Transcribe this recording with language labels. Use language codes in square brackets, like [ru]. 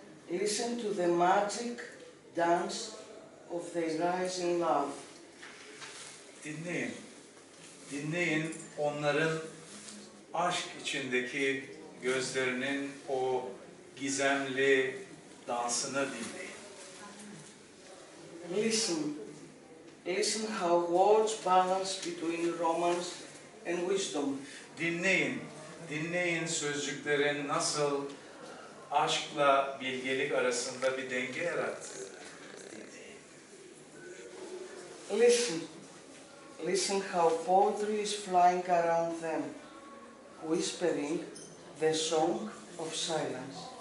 [en] Listen to the magic dance of the rising love. [tr] Dinleyin. Dinleyin onların aşk içindeki gözlerinin o gizemli dansını dinleyin. [en] Listen. Listen how words balance between romance and wisdom. [tr] Dinleyin. Dinleyin sözcüklerin nasıl aşkla bilgelik arasında bir denge yarattığı. [en] Listen. Listen how poetry is flying around them, whispering the song of silence.